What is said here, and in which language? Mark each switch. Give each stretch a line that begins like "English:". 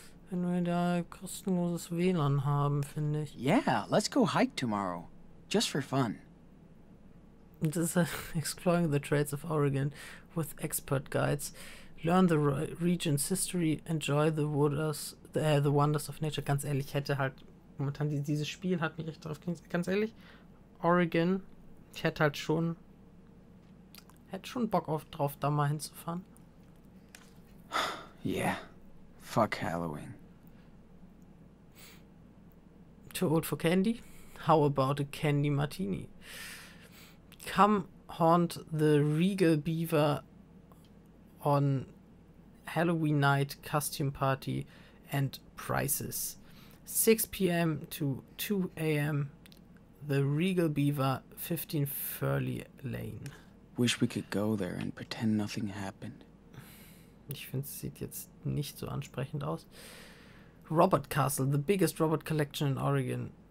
German: Wenn wir da kostenloses WLAN haben, finde ich.
English: Yeah, let's go hike tomorrow. Just for fun. This is exploring the trails of Oregon with expert guides. Learn the region's history, enjoy the wonders, the wonders of nature.
German: Ganz ehrlich, hätte halt momentan dieses Spiel hat mich echt drauf gekriegt. Ganz ehrlich, Oregon, ich hätte halt schon, Bock drauf, da mal hinzufahren.
English: Yeah. Fuck Halloween. Too old for candy? How about a candy martini? Come haunt the regal beaver on Halloween night costume party and prices. 6 p.m. to 2 a.m. The regal beaver, 15 Furley Lane. Wish we could go there and pretend nothing happened.
German: Ich finde, es sieht jetzt nicht so ansprechend aus.
English: Robert Castle, the biggest Robert Collection in Oregon.